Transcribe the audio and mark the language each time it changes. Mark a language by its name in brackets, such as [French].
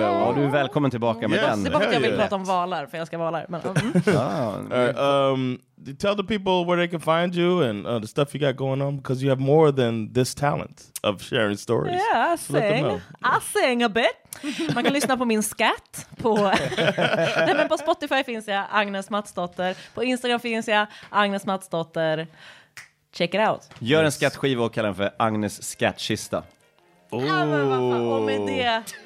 [Swedish] Ja, du är välkommen tillbaka med den. Det är bara att jag vill prata om valar, för jag ska valar. [English] Tell the people where they can find you and the stuff you got going on, because you have more than this talent of sharing stories. Yeah, I sing a bit. [Swedish] Man kan lyssna på min skatt på nej, men på Spotify finns jag Agnes Matsdotter. På Instagram finns jag Agnes Matsdotter. [English] Check it out. [Swedish] Gör en skattskiva och kalla den för Agnes skattkista. Med det.